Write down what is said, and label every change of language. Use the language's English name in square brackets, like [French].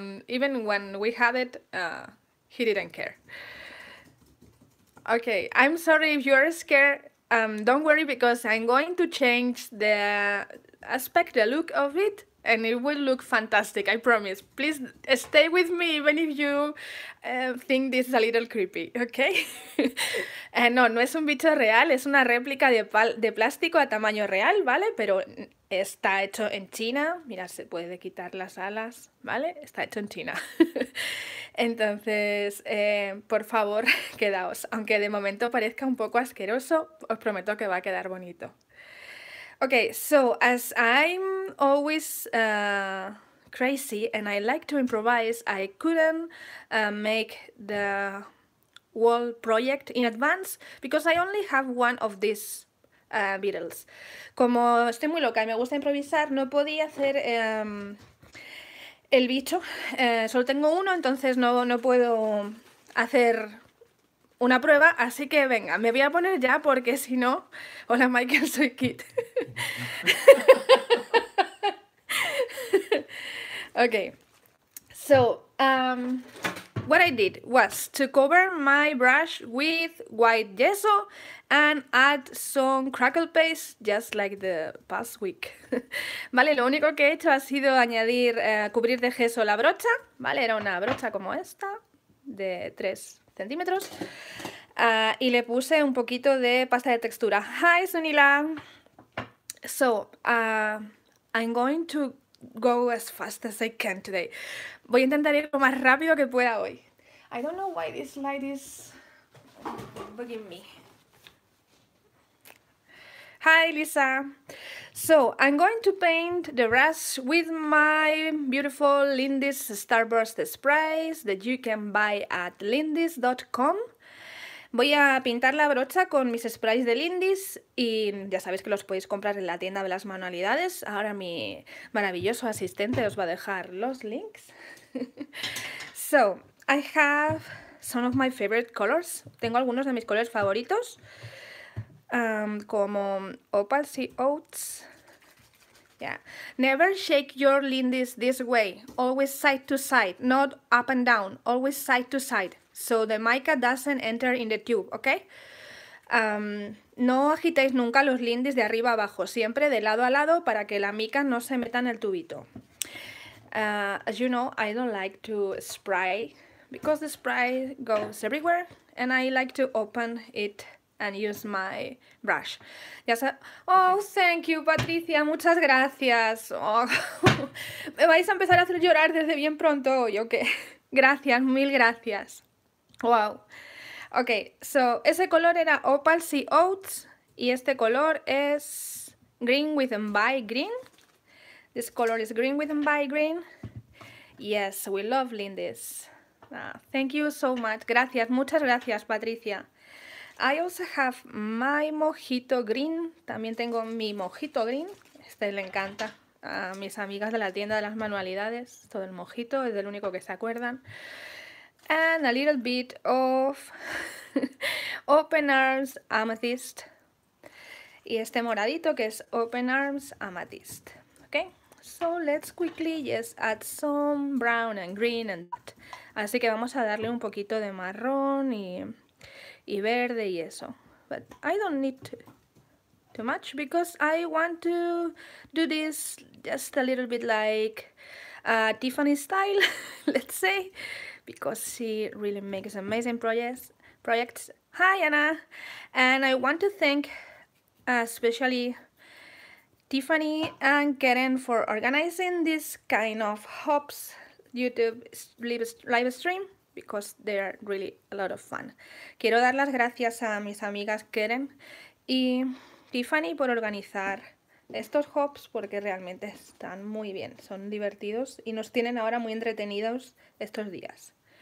[English] Even when we had it, he didn't care. Okay, I'm sorry if you are scared. Don't worry, because I'm going to change the aspect, the look of it, and it will look fantastic, I promise. Please stay with me, even if you think this is a little creepy, okay? [Spanish] no es un bicho real, es una réplica de plástico a tamaño real, ¿vale? Pero está hecho en China. Mira, se puede quitar las alas, ¿vale? Está hecho en China. Entonces, por favor, quedaos. Aunque de momento parezca un poco asqueroso, os prometo que va a quedar bonito. [English] Okay, so as I'm always crazy and I like to improvise, I couldn't make the wall project in advance because I only have one of these beetles. [Spanish] Como estoy muy loca y me gusta improvisar, no podía hacer el bicho. Solo tengo uno, entonces no puedo hacer una prueba, así que venga, me voy a poner ya porque si no... Hola, Michael, soy Kit. [English] Okay, so what I did was to cover my brush with white gesso and add some crackle paste, just like the past week. [Spanish] Vale, lo único que he hecho ha sido añadir, cubrir de gesso la brocha, vale, era una brocha como esta, de 3 centímetros, y le puse un poquito de pasta de textura. [English] Hi, Sunila. So, I'm going to go as fast as I can today. [Spanish] Voy a intentar ir lo más rápido que pueda hoy. [English] I don't know why this light is bugging me. Hi, Lisa. So, I'm going to paint the rest with my beautiful Lindy's Starburst sprays that you can buy at lindys.com. [Spanish] Voy a pintar la brocha con mis sprays de Lindy's y ya sabéis que los podéis comprar en la tienda de las manualidades. Ahora mi maravilloso asistente os va a dejar los links. [English] So, I have some of my favorite colors. [Spanish] Tengo algunos de mis colores favoritos. Como Opal y Oats. Yeah. [English] Never shake your Lindy's this way. Always side to side. Not up and down. Always side to side. so the mica doesn't enter in the tube, okay? [Spanish] No agitéis nunca los lindis de arriba abajo, siempre de lado a lado para que la mica no se meta en el tubito. [English] As you know, I don't like to spray because the spray goes everywhere and I like to open it and use my brush. Oh, thank you, Patricia, [Spanish] muchas gracias. [English] Oh. [Spanish] Me vais a empezar a hacer llorar desde bien pronto hoy, ¿o qué? Gracias, mil gracias. Wow. Ok, so, ese color era Opal Sea Oats y este color es Green with Envy Green. [English] This color is Green with Envy Green. Yes, we love lindis. Thank you so much. [Spanish] Gracias, muchas gracias, [English] Patricia. I also have my Mojito Green. [Spanish] También tengo mi Mojito Green. Este le encanta a mis amigas de la tienda de las manualidades. Todo el Mojito es el único que se acuerdan. [English] And a little bit of Open Arms Amethyst. [Spanish] Y este moradito que es Open Arms Amethyst. Okay? [English] So let's quickly just add some brown and green. [Spanish] Así que vamos a darle un poquito de marrón y verde y eso. [English] But I don't need too much because I want to do this just a little bit like Tiffany style, let's say. Because she really makes amazing projects. Hi, Anna! And I want to thank especially Tiffany and Karen for organizing this kind of hops YouTube live stream, because they are really a lot of fun. [Spanish] Quiero dar las gracias a mis amigas Karen y Tiffany por organizar estos hops, porque realmente están muy bien, son divertidos y nos tienen ahora muy entretenidos estos días.